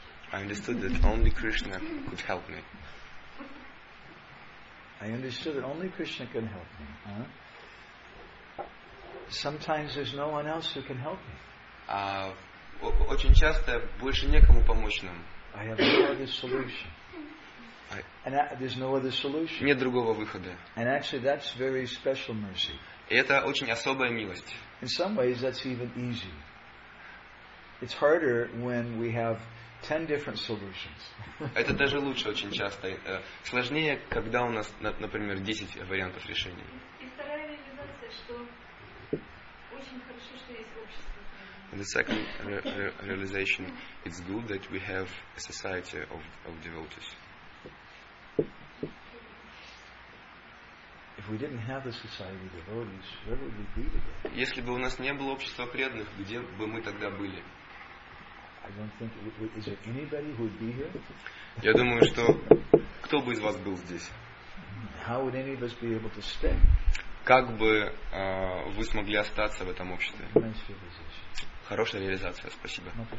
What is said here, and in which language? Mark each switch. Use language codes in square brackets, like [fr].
[en] I understood that only Krishna could help me. I understood that only Krishna can help me. Huh? Sometimes there's no one else who can help me. [ru] Очень часто больше некому помочь нам. [en] I have no other solution. There's no other solution. [ru] Нет другого выхода. [en] And actually, that's very special mercy. [ru] И это очень особая милость. [en] In some ways, that's even easier. It's harder when we have 10 different solutions. [ru] Это даже лучше очень часто. Сложнее, когда у нас, например, 10 вариантов решений. И вторая реализация, что очень хорошо, что есть общество. [en] And the second realization, it's good that we have a society of devotees. If we didn't have the society of devotees, where would we be today? [ru] Если бы у нас не было общества преданных, где бы мы тогда были? [en] I don't think is there anybody who would be here? [ru] Я думаю, что кто бы из вас был здесь? [en] How would any of us be able to stay? [ru] Как бы вы смогли остаться в этом обществе? Хорошая реализация, спасибо.